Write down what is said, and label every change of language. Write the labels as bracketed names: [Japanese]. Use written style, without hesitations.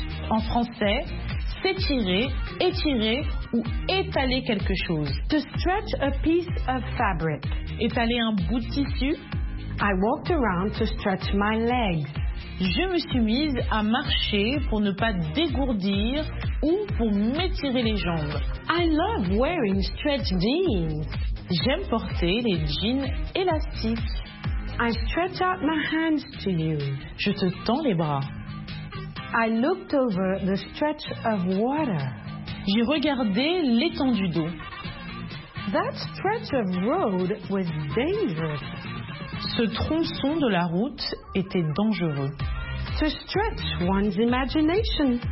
[French] En français, s'étirer, étirer ou étaler quelque chose. [English] To stretch a piece of fabric. [French] Étaler un bout de tissu. [English] I walked around to stretch my legs. [French] Je me suis mise à marcher pour ne pas dégourdir ou pour m'étirer les jambes. [English] I love wearing stretch jeans. [French] J'aime porter les jeans élastiques. [English] I stretch out my hands to you. [French] Je te tends les bras. [English] I looked over the stretch of water. [French] J'ai regardé l'étendue d'eau. [English] That stretch of road was dangerous. [French] Ce tronçon de la route était dangereux. [English] To stretch one's imagination.